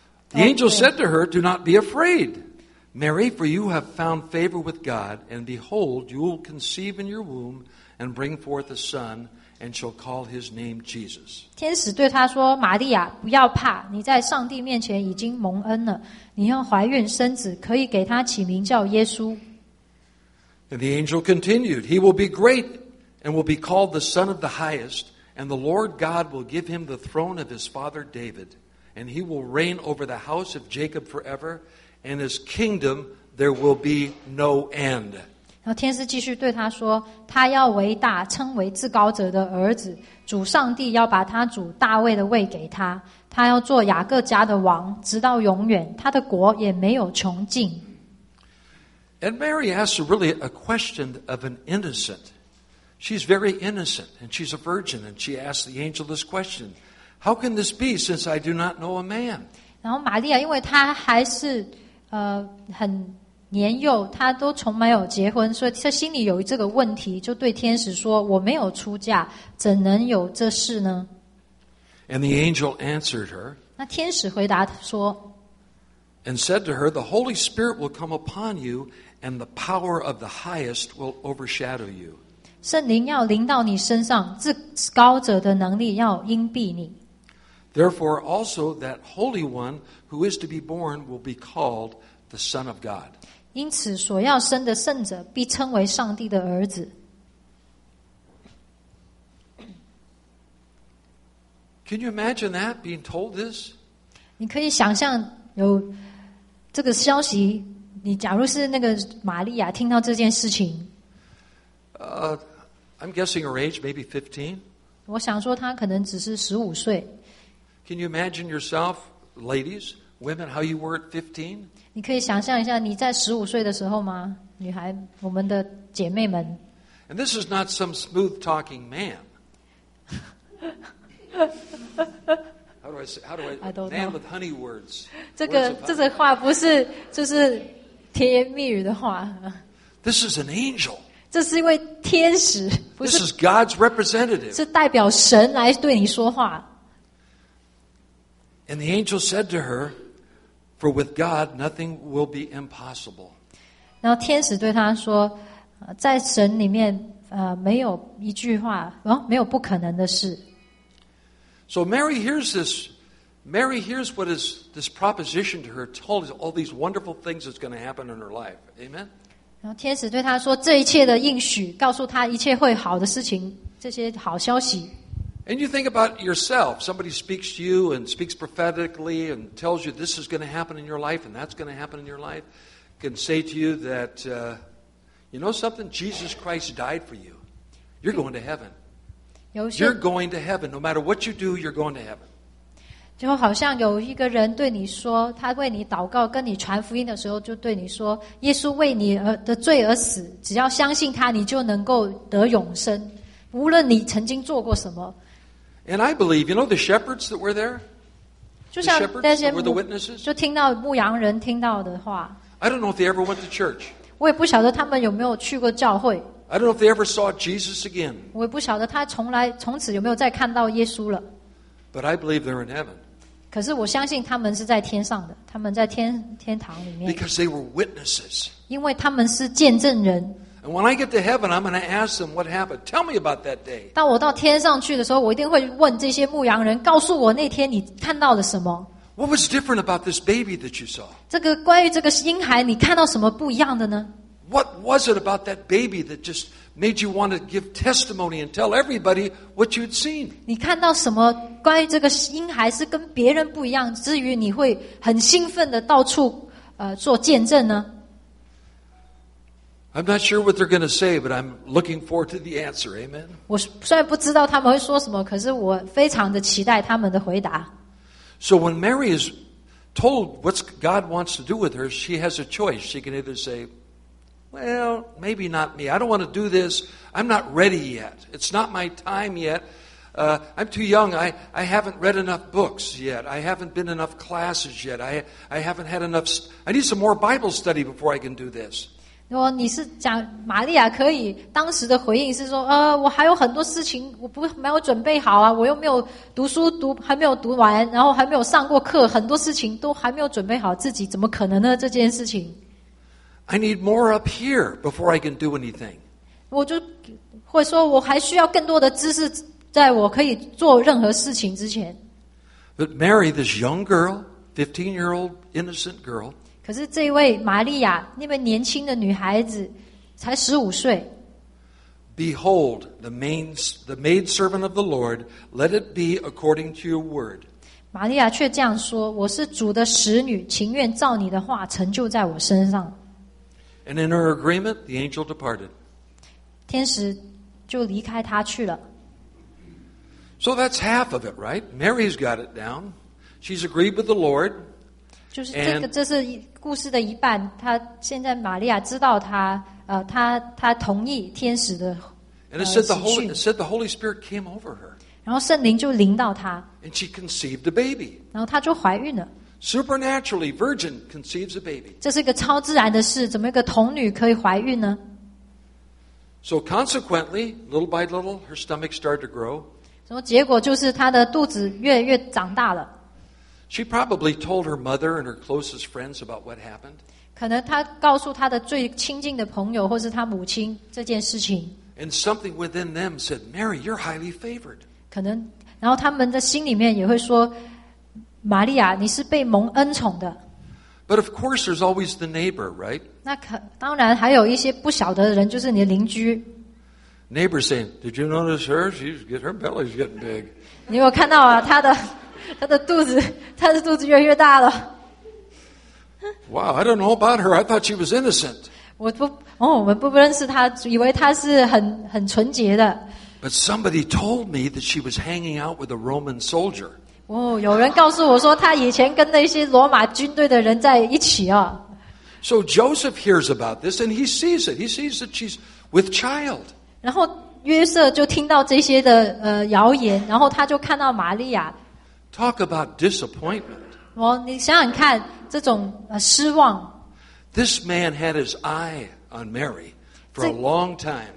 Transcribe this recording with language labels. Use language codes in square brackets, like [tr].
[en] The angel said to her, "Do not be afraid, Mary, for you have found favor with God, and behold, you will conceive in your womb and bring forth a son, and shall call his name Jesus." [zh] 天使对她说，玛利亚，不要怕，你在上帝面前已经蒙恩了，你要怀孕生子，可以给他起名叫耶稣。 [en] And the angel continued, "He will be great and will be called the Son of the Highest. And the Lord God will give him the throne of his father David, and he will reign over the house of Jacob forever, and his kingdom there will be no end." [zh] 然后天使继续对他说，他要为大，称为至高者的儿子，主上帝要把他主大卫的位给他，他要做雅各家的王，直到永远，他的国也没有穷尽。 [en] And Mary asks really a question of an innocent. She's very innocent, and she's a virgin, and she asked the angel this question, "How can this be, since I do not know a man?" [zh] 然后玛利亚因为她还是很年幼，她都从没有结婚，所以她心里有这个问题，就对天使说，我没有出嫁，怎能有这事呢？ [en] And the angel answered her, [zh] 那天使回答说, [en] and said to her, "The Holy Spirit will come upon you, and the power of the highest will overshadow you." [zh] 圣灵要临到你身上，至高者的能力要荫庇你。 [en] Therefore, also that Holy One who is to be born will be called the Son of God. [zh] 因此，所要生的圣者必称为上帝的儿子。 [en] Can you imagine that being told this? [zh] 你可以想象有这个消息。你假如是那个玛利亚听到这件事情。 [en] I'm guessing her age, maybe 15. [zh] 我想说她可能只是15岁。 [en] Can you imagine yourself, ladies, women, how you were at 15? [zh] 你可以想象一下你在15岁的时候吗？女孩，我们的姐妹们。 [en] And this is not some smooth-talking man. How do I say? Man with honey words. [zh] 这个话不是就是甜言蜜语的话。 [en] This is an angel. [zh] 这是一位天使。 [en] This is God's representative. [zh] 是代表神来对你说话。 [en] And the angel said to her, "For with God, nothing will be impossible." [zh] 然后天使对他说，在神里面，没有一句话，没有不可能的事。 [en] So Mary hears this. Mary hears what is this proposition to her told all these wonderful things that's going to happen in her life. Amen. [zh] 然后天使对他说，这一切的应许，告诉他一切会好的事情，这些好消息。 [en] And you think about yourself. Somebody speaks to you and speaks prophetically and tells you this is going to happen in your life and that's going to happen in your life. Can say to you that, you know something? Jesus Christ died for you. You're going to heaven. You're going to heaven. No matter what you do, you're going to heaven. [zh] 就好像有一个人对你说，他为你祷告，跟你传福音的时候，就对你说，耶稣为你的罪而死，只要相信他，你就能够得永生。无论你曾经做过什么。 [en] And I believe, you know the shepherds that were there? The shepherds that were the witnesses? [zh] 就听到牧羊人听到的话。 [en] I don't know if they ever went to church. [zh] 我也不晓得他们有没有去过教会。 [en] I don't know if they ever saw Jesus again. [zh] 我也不晓得他从此有没有再看到耶稣了。 [en] But I believe they're in heaven. [zh] 可是我相信他们是在天上的，他们在天堂里面。 [en] Because they were witnesses. [zh] 因为他们是见证人。 [en] And when I get to heaven, I'm going to ask them what happened. Tell me about that day. [zh] 当我到天上去的时候，我一定会问这些牧羊人，告诉我那天你看到了什么。 [en] What was different about this baby that you saw? [zh] 这个关于这个婴孩，你看到什么不一样的呢？ [en] What was it about that baby that just made you want to give testimony and tell everybody what you'd seen? [zh] 你看到什么关于这个婴孩是跟别人不一样，至于你会很兴奋的到处做见证呢？ [en] I'm not sure what they're going to say, but I'm looking forward to the answer. Amen. [zh] 我虽然不知道他们会说什么，可是我非常的期待他们的回答。 [en] So when Mary is told what God wants to do with her, she has a choice. She can either say, "Well, maybe not me. I don't want to do this. I'm not ready yet. It's not my time yet. I'm too young. I haven't read enough books yet. I haven't been enough classes yet. I haven't had enough. I need some more Bible study before I can do this." [zh] 说你是讲玛利亚可以当时的回应是说，我还有很多事情我不没有准备好啊，我又没有读书读还没有读完，然后还没有上过课，很多事情都还没有准备好，自己怎么可能呢这件事情 [en] ？I need more up here before I can do anything. [zh] 我就会说我还需要更多的知识，在我可以做任何事情之前。 [en] But Mary, this young girl, 15-year-old innocent girl. [zh] 可是这位玛利亚，那位年轻的女孩子，才十五岁。 [en] Behold, the maid servant of the Lord, let it be according to your word. [zh] 玛利亚却这样说：“我是主的使女，情愿照你的话成就在我身上。” [en] And in her agreement, the angel departed. [zh] 天使就离开她去了。 [en] So that's half of it, right? Mary's got it down. She's agreed with the Lord. [zh] 就是这是故事的一半。他现在玛利亚知道他同意天使的喜讯。 [en] It said the Holy Spirit came over her. [zh] 然后圣灵就临到她。 [en] And she conceived a baby. [zh] 然后她就怀孕了。 [en] Supernaturally, virgin conceives a baby. [zh] 这是一个超自然的事，怎么一个童女可以怀孕呢 [en] ？So consequently, little by little, her stomach started to grow. [zh] 然后结果就是她的肚子越来越长大了。 [en] She probably told her mother and her closest friends about what happened. [zh] 可能她告诉她的最亲近的朋友或是她母亲这件事情。 [en] And something within them said, Mary, you're highly favored. [zh] 可能，然后他们的心里面也会说，玛利亚，你是被蒙恩宠的。 [en] But of course, there's always the neighbor, right? [zh] 那可当然还有一些不晓得的人，就是你的邻居。 [en] Neighbor saying, "Did you notice her? She's get her belly's getting big." [zh] 你有看到啊？她的肚子越来越大了。 [en] Wow, I don't know about her. I thought she was innocent. [zh] 我们不认识她，以为她是很纯洁的。 [en] But somebody told me that she was hanging out with a Roman soldier. [zh] 哦，有人告诉我说她以前跟那些罗马军队的人在一起啊。 [en] So Joseph hears about this and he sees it. He sees that she's with child. [zh] 然后约瑟就听到这些的谣言，然后他就看到玛利亚。 [en] Talk about disappointment. [zh] 哦，你想想看，这种失望。 [en] This man had his eye on Mary for a long time.